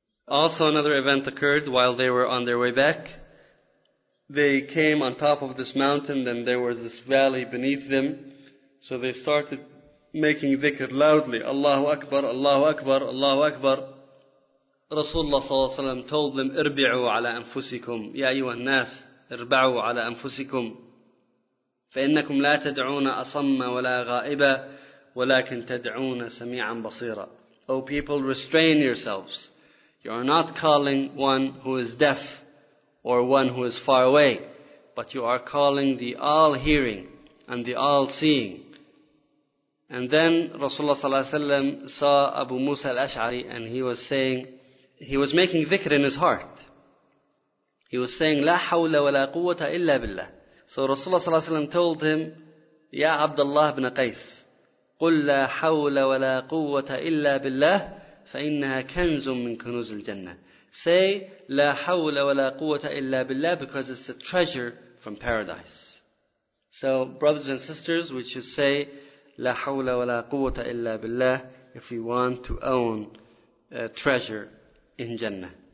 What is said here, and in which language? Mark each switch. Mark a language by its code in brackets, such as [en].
[en] Also, another event occurred while they were on their way back. They came on top of this mountain, then there was this valley beneath them. So they started making dhikr loudly. Allahu Akbar, Allahu Akbar, Allahu Akbar. [ar] رسول الله صلى الله عليه وسلم [en] told them [ar] اربعوا على أنفسكم يا أيها الناس اربعوا على أنفسكم فإنكم لا تدعون أصم ولا غائبا ولكن تدعون سميعا بصيرا. [en] O people, restrain yourselves. You are not calling one who is deaf or one who is far away, but you are calling the all-hearing and the all-seeing. And then Rasulullah sallallahu alayhi wa sallam saw Abu Musa al-Ash'ari, and he was saying, he was making dhikr in his heart. He was saying, [ar] لا حول ولا قوة إلا بالله. [en] So Rasulullah sallallahu alayhi wa sallam told him, [ar] يا عبد الله بن قيس, قل لا حول ولا قوة إلا بالله فإنها كنز من كنوز الجنة. [en] Say, [ar] لا حول ولا قوة إلا بالله, [en] because it's a treasure from paradise. So, brothers and sisters, we should say, [ar] لا حول ولا قوة إلا بالله, [en] if we want to own a treasure in Jannah.